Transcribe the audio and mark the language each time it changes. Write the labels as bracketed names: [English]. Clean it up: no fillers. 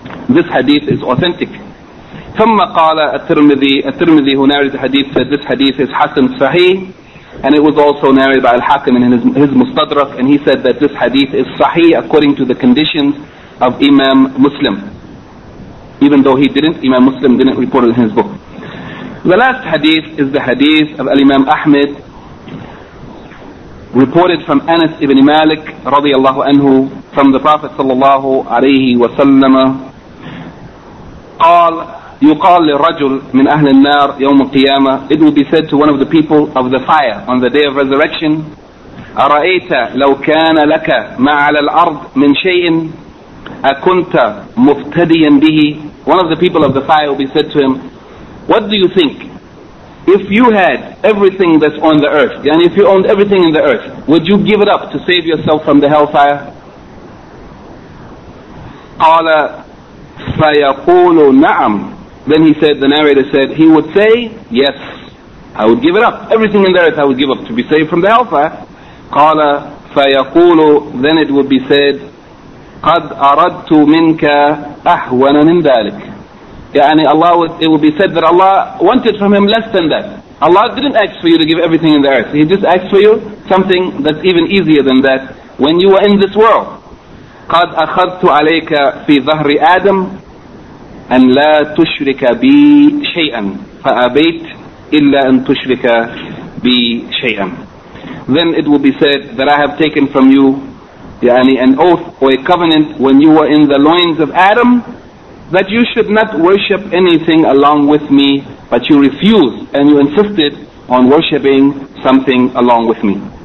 [English] This hadith is authentic. [Arabic] ثم قال الترمذي, [English] الترمذي who narrated the hadith said this hadith is Hasan Sahih, and it was also narrated by Al-Hakim in his Mustadrak, and he said that this hadith is Sahih according to the conditions of Imam Muslim, even though Imam Muslim didn't report it in his book. The last hadith is the hadith of Al-Imam Ahmed, reported from Anas ibn Malik radiallahu anhu from the Prophet sallallahu alayhi wa sallam. [Arabic] قال يقال للرجل من أهل النار يوم القيامة. [English] It will be said to one of the people of the fire on the day of resurrection, [Arabic] أرأيت لو كان لك ما على الأرض من شيء أكنت مفتديا به. [English] One of the people of the fire will be said to him, what do you think? If you had everything that's on the earth, and if you owned everything in the earth, would you give it up to save yourself from the hellfire? [Arabic] قال فيقول نعم. [English] Then he said, the narrator said, he would say, yes, I would give it up. Everything in the earth I would give up to be saved from the hellfire. [Arabic] قَالَ فَيَقُولُ. [English] Then it would be said, [Arabic] قَدْ أَرَدْتُ مِنْكَ أَحْوَنَ مِنْ ذَلِكَ. [English] يعني Allah would, it would be said that Allah wanted from him less than that. Allah didn't ask for you to give everything in the earth. He just asked for you something that's even easier than that when you were in this world. [Arabic] قَدْ أَخَذْتُ عَلَيْكَ فِي ظَهْرِ آدَمَ أن لا تشرك بي شيئا فأبيت إلا أن تشرك بي شيئا. [English] Then it will be said that I have taken from you يعني an oath or a covenant when you were in the loins of Adam that you should not worship anything along with me, but you refused and you insisted on worshiping something along with me.